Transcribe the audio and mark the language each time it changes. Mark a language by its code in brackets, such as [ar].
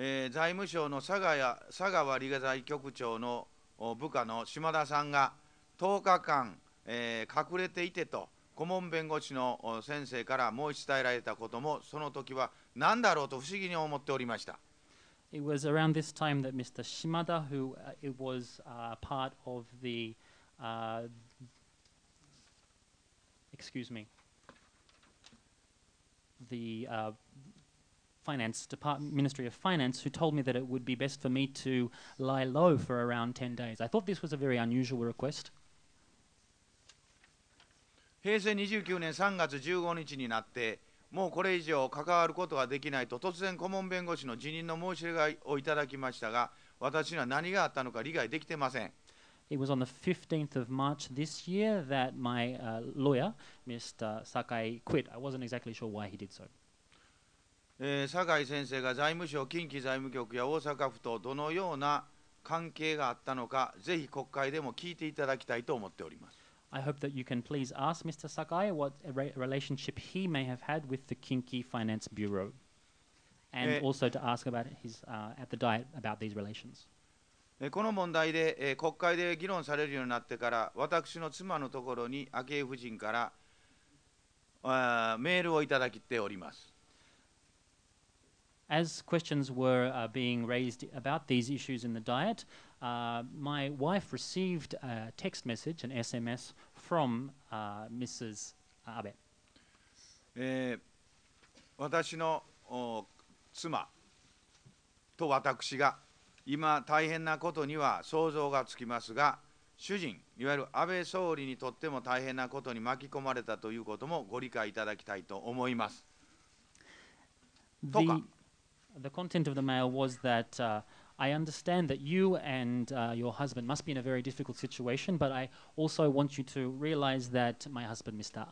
[ja] 財務省の佐川理財局長の部下の島田さんが10日間、隠れていてと顧問弁護士の先生から申し伝えられたことも、その時は何だろうと不思議に思っておりました。 [en] It was around this time that Mr. Shimada, who it was part of the, excuse me, the finance, Ministry of Finance, who told me that it would be best for me to lie low for around 10 days. I thought this was a very unusual request. [ja] 平成29年3月15日になって、もうこれ以上関わることはできないと突然顧問弁護士の辞任の申し出をいただきましたが、私には何があったのか理解できてません。 [en] It was on the 15th of March this year that my lawyer, Mr. Sakai, quit. I wasn't exactly sure why he did so. [ja] 坂井先生が財務省、近畿財務局や大阪府とどのような関係があったのか、ぜひ国会でも聞いていただきたいと思っております。 [en] I hope that you can please ask Mr. Sakai what relationship he may have had with the Kinki Finance Bureau, and also to ask about his at the Diet about these relations. [ja] この問題で国会で議論されるようになってから、私の妻のところに昭恵夫人からメールをいただきております。 [en] As questions were being raised about these issues in the Diet, my wife received a text message, an SMS from Mrs. Abe. [ja] 私の妻と私が今大変なことには想像がつきますが、主人、いわゆる安倍総理にとっても大変なことに巻き込まれたということもご理解いただきたいと思います。 [en] The content of the mail was that I understand that you and your husband must be in a very difficult situation, but I also want you to realize that my husband, Mr.